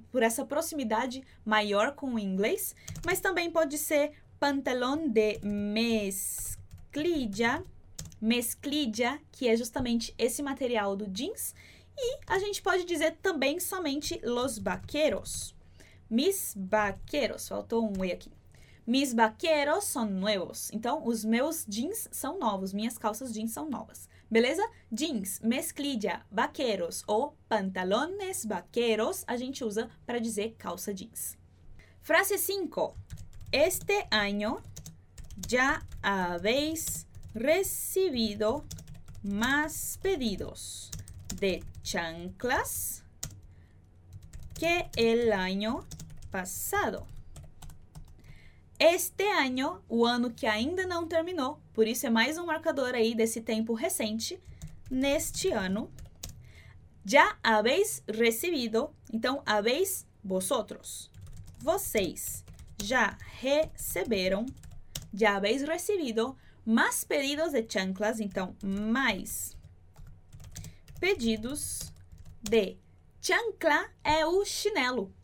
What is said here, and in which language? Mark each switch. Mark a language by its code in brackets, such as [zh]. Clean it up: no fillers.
[pt] Por essa proximidade maior com o inglês. Mas também pode ser [es] pantalón de mezclilla, [pt] mezclilla, que é justamente esse material do jeans. E a gente pode dizer também somente [es] los vaqueros. [pt] Mis vaqueros, faltou um E aqui. [es] Mis vaqueros son nuevos. [pt] Então, os meus jeans são novos. Minhas calças jeans são novas. Beleza? Jeans, mezclilla, vaqueros ou pantalones vaqueros a gente usa para dizer calça jeans. Frase 5. [es] Este año ya habéis recibido más pedidos de chanclas que el año pasado. [pt] Este ano, o ano que ainda não terminou, por isso é mais um marcador aí desse tempo recente, neste ano, já habéis recebido, então, habéis vosotros, vocês já receberam, já habéis recebido mais pedidos de chanclas, então, mais pedidos de chancla é o chinelo.